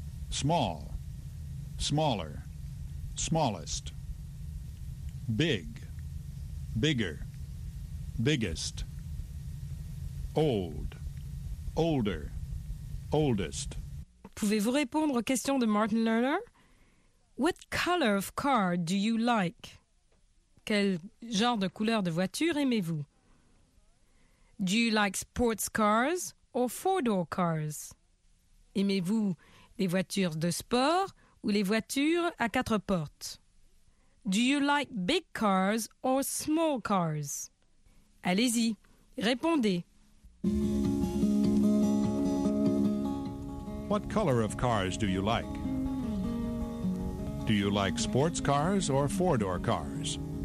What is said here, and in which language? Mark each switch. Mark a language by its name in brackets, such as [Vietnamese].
[English] Small. Smaller. Smallest. Big. Bigger. Biggest. Old. Older. Oldest. [French] Pouvez-vous répondre aux questions de Martin Lerner? [English] What color of car do you like? [French] Quel genre de couleur de voiture aimez-vous? [English] Do you like sports cars or four-door cars? [French] Aimez-vous les voitures de sport ou les voitures à quatre portes? [English] Do you like big cars or small cars? [French] Allez-y, répondez. [English] What color of cars do you like? Do you like sports cars or four-door cars?